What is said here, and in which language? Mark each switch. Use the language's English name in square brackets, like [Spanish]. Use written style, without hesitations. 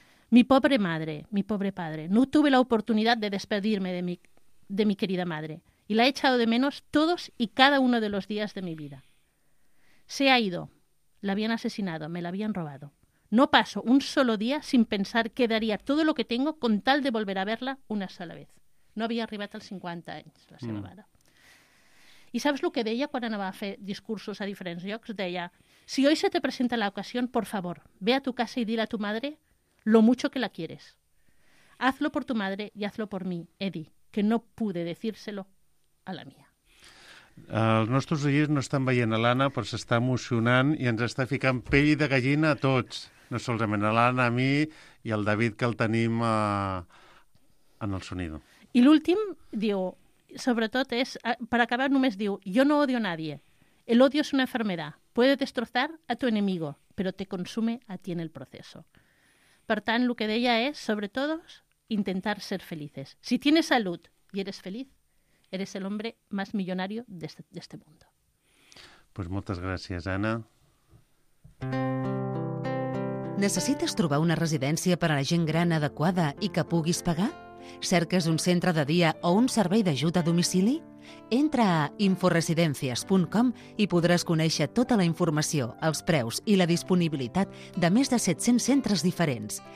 [Spanish] Mi pobre madre, mi pobre padre, no tuve la oportunidad de despedirme de mi querida madre y la he echado de menos todos y cada uno de los días de mi vida. Se ha ido, la habían asesinado, me la habían robado. No paso un solo día sin pensar que daría todo lo que tengo con tal de volver a verla una sola vez. [Catalan] No había arribat als 50 anys, la seva mare. I saps el que deia quan anava a fer discursos a diferents llocs? [Spanish] Deia, si hoy se te presenta la ocasión, por favor, ve a tu casa y dile a tu madre lo mucho que la quieres. Hazlo por tu madre y hazlo por mí, Eddie, que no pude decírselo a la mía. [Catalan] Els nostres oients no estan veient a l'Anna, però s'està emocionant i ens està ficant pell de gallina a tots. No solament a l'Anna, a mi i al David, que el tenim [Spanish] en el sonido. [Catalan] I l'últim diu, sobretot és, per acabar només diu, [Spanish] yo no odio a nadie, el odio es una enfermedad, puede destrozar a tu enemigo, pero te consume a ti en el proceso. [Catalan] Per tant, el que deia és, sobretot, intentar ser felices. [Spanish] Si tienes salud y eres feliz, eres el hombre más millonario de este mundo. [Catalan] Pues moltes gràcies, Anna. Necessites trobar una residència per a la gent gran adequada i que puguis pagar? Cerques un centre de dia o un servei d'ajuda a domicili? Entra a inforesidencias.com i podràs conèixer tota la informació, els preus i la disponibilitat de més de 700 centres diferents.